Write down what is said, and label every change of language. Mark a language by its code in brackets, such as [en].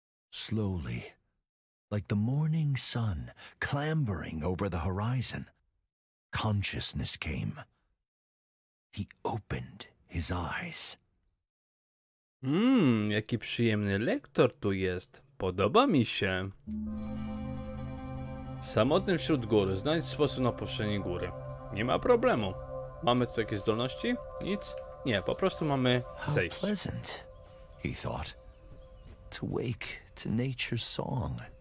[en] Slowly, like the morning sun clambering over the horizon, consciousness came. He opened his eyes. [pl] Jaki przyjemny lektor tu jest. Podoba mi się. Samotny wśród gór. Znajdź sposób na opuszczenie góry. Nie ma problemu. Mamy tu jakieś zdolności? Nic? Nie, po prostu mamy zejść. [en] How pleasant, he thought, to wake to nature's song.